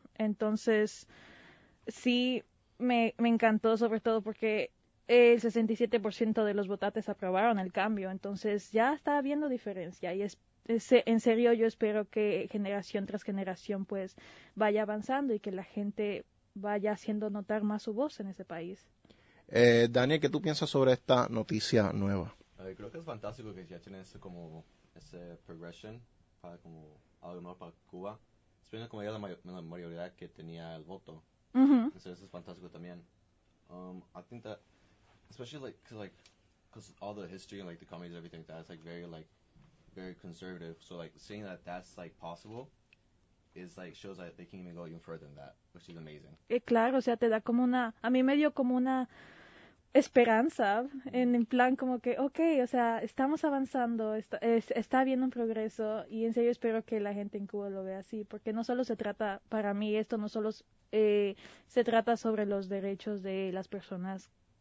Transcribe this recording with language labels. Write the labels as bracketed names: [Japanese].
[Spanish] Entonces, sí, me encantó, sobre todo porque el 67% de los votantes aprobaron el cambio, entonces ya está habiendo diferencia y en serio yo espero que generación tras generación pues vaya avanzando y que la gente vaya haciendo notar más su voz en ese país. Daniel, ¿qué tú piensas sobre esta noticia nueva? Creo que es fantástico que ya tienen ese como ese progression para como algo mejor para Cuba. Espero como ya la mayoría que tenía el voto. Uh-huh. Eso es fantástico también. [English] I think that especially because all the history and like the comedies and everything that's like very conservative. So like seeing that that's like possible is like shows that they can even go even further than that, which is amazing. [Spanish] Claro, o sea, te da como una, a mí me dio como una esperanza en plan como que, okay, o sea, estamos avanzando, está habiendo un progreso, y en serio espero que la gente en Cuba lo vea así, porque no solo se trata, para mí esto no solo se trata sobre los derechos de las personas,